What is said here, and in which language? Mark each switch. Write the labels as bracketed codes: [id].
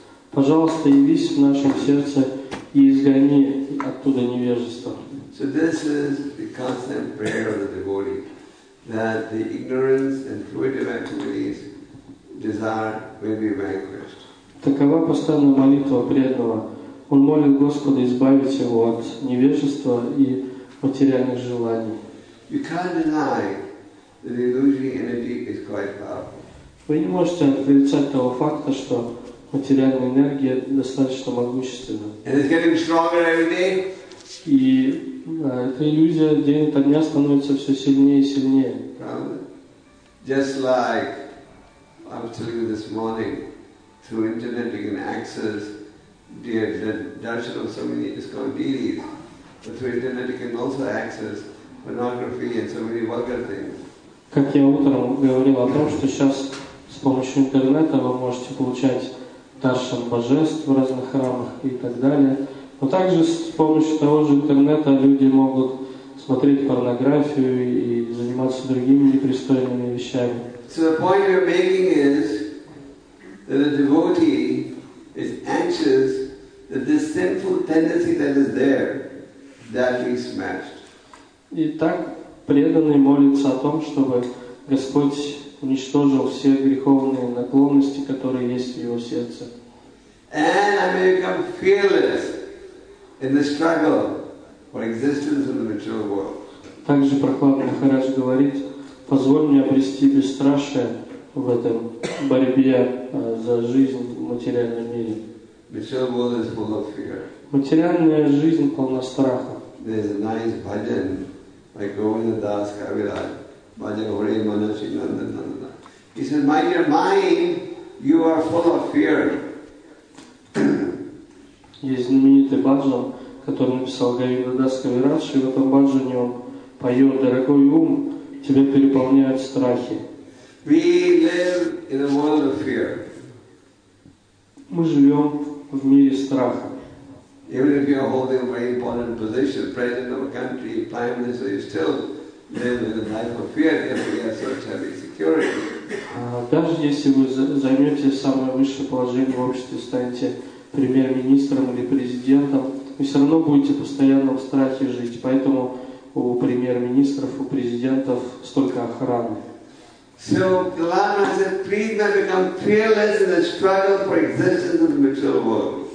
[ru] Пожалуйста, явись в нашем сердце и изгони оттуда невежество. [en] So this is the constant prayer of the devotee that the ignorance and fruitive activities desire will be vanquished. [ru] Такова постоянная молитва преданного. Он молит Господа избавить его от невежества и материальных желаний. [en] You can't deny that the illusory energy is quite powerful. [ru] Вы не можете отрицать того факта, что материальная энергия достаточно могущественна. [en] And it's getting stronger every day. [ru] И эта иллюзия день ото дня становится все сильнее и сильнее. [en] Just like I was telling you this morning, through internet you can access the darshan of so many ISKCON deities. But through internet you can also access pornography and so many vulgar things. [ru] Как я утром говорил о том, что сейчас с помощью интернета вы можете получать даршан божеств в разных храмах и так далее. Но также с помощью того же интернета люди могут смотреть порнографию и заниматься другими непристойными вещами. [en] So the point you're making is that a devotee is anxious that this sinful tendency that is there, that he smashed. [ru] Итак, преданный молится о том, чтобы Господь уничтожил все греховные наклонности, которые есть в его сердце. [en] And I may become fearless in the struggle for existence in the material world. [ru] Также Прохлад Махарадж говорит: позволь мне обрести бесстрашие в этом борьбе за жизнь в материальном мире. [en] Material world is full of fear. [ru] Материальная жизнь полна страха. [en] There's a nice bhajan by Govinda Das Kaviraj. Bhajan Hore Manasi Nandan Nandana. He says, my dear mind, you are full of fear. [ru] Есть знаменитый бхаджан, который написал Говинда Дас Кавирадж, и в этом бхаджане он поет: дорогой ум, тебя переполняют страхи. [en] We live in a world of fear. [ru] Мы живем в мире страха. [en] Even if you are holding a very important position, president of a country, prime minister, you still live in a life of fear if you have such heavy security. [ru] Даже если вы займете самое высшее положение в обществе, станете премьер-министром или президентом, вы все равно будете постоянно в страхе жить. Поэтому у премьер-министров, у президентов столько охраны. [en] So, Lama said, please not become fearless in the struggle for existence in the material world.